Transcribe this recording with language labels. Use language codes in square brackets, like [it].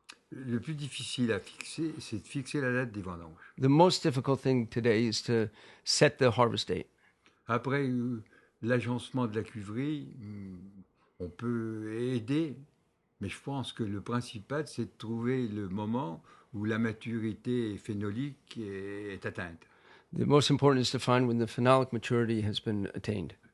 [fr] Le plus difficile à fixer, c'est de fixer la date des vendanges. [en] The most difficult thing today is to set the harvest date. [fr] Après l'agencement de la cuverie, on peut aider, mais je pense que le principal, c'est de trouver le moment où la maturité phénolique est atteinte. [en] The most important is to find when the phenolic maturity has been attained.